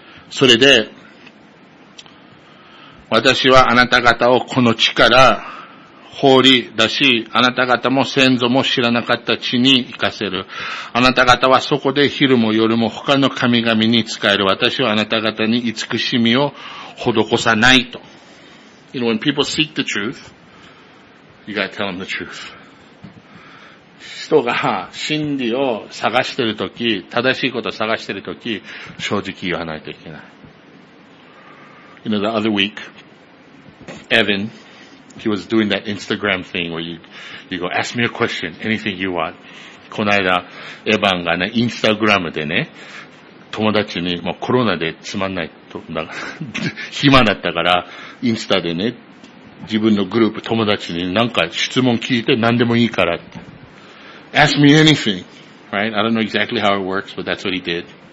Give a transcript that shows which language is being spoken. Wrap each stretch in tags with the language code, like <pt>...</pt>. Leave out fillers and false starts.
<ja>それで、私はあなた方をこの地から放り出し、あなた方も先祖も知らなかった地に行かせる。あなた方はそこで昼も夜も他の神々に仕える。私はあなた方に慈しみを施さないと。</ja> <en>You know, when people seek the truth, you gotta tell them the truth.</en> <ja>人が真理を探しているとき、正しいことを探しているとき、正直言わないといけない。</ja> <en>You know, the other week, Evan, he was doing that Instagram thing where you go, ask me a question, anything you want.</en> <ja>この間、エヴァンがね、インスタグラムでね、友達に、まあ、コロナでつまんないと、なんか暇だったから、インスタでね、自分のグループ、友達に何か質問聞いて何でもいいからって。</ja> <en>Ask me anything, right? I don't know exactly how it works, but that's what he did.</en>